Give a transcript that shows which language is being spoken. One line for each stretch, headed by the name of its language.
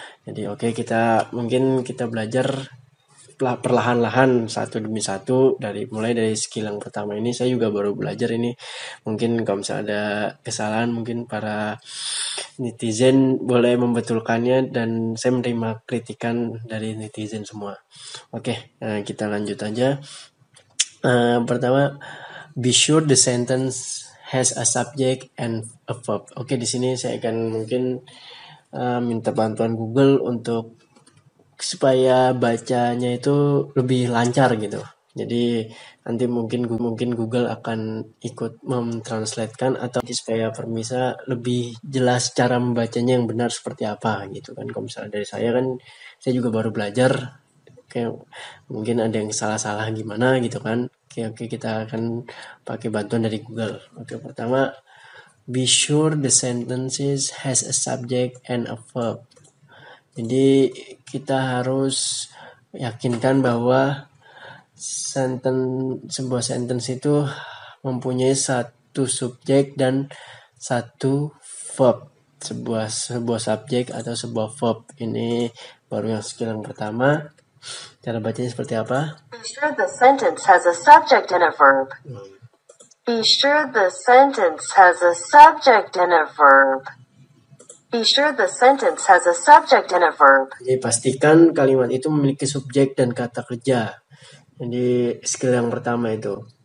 Indonesian: Jadi, oke okay, kita mungkin kita belajar perlahan-lahan satu demi satu dari mulai dari skill yang pertama ini saya juga baru belajar ini. Mungkin kalau misalnya ada kesalahan mungkin para netizen boleh membetulkannya dan saya menerima kritikan dari netizen semua. Oke, okay, kita lanjut aja.
English: Pertama, be sure the sentence has a subject and a verb.
Indonesian: Oke, okay, di sini saya akan mungkin minta bantuan Google untuk supaya bacanya itu lebih lancar gitu. Jadi nanti mungkin Google akan ikut mentranslatekan atau supaya permisa lebih jelas cara membacanya yang benar seperti apa gitu kan. Kalau misalnya dari saya kan saya juga baru belajar. Oke, mungkin ada yang salah-salah gimana gitu kan. Oke, kita akan pakai bantuan dari Google. Oke, pertama,
English: be sure the sentences has a subject and a verb.
Indonesian: Jadi kita harus yakinkan bahwa sebuah sentence itu mempunyai satu subjek dan satu verb. Sebuah subjek atau sebuah verb. Ini baru yang skill yang pertama. Cara bacanya seperti apa?
English: Be sure the sentence has a subject and a verb. Be sure the sentence has a subject and a verb. Be sure the sentence has a subject and a verb.
Indonesian: Jadi pastikan kalimat itu memiliki subjek dan kata kerja. Jadi skill yang pertama itu.